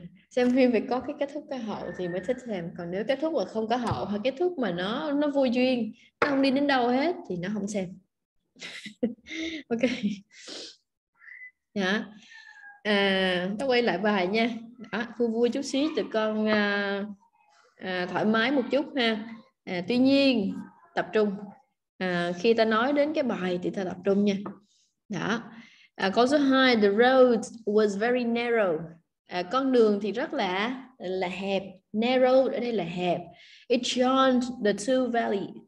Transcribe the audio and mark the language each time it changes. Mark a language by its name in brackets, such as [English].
[Vietnamese] Xem phim phải có cái kết thúc có hậu thì mới thích xem, còn nếu kết thúc mà không có hậu hay kết thúc mà nó vô duyên, nó không đi đến đâu hết thì nó không xem. Ok. Dạ. À, ta quay lại bài nha. À, vui vui chút xíu tụi con thoải mái một chút ha. À, tuy nhiên tập trung. À, khi ta nói đến cái bài thì ta tập trung nha. Đó. À, câu số 2, [English] the road was very narrow. [Vietnamese] À, con đường thì rất là hẹp. Narrow ở đây là hẹp. [English] It joined the two valley.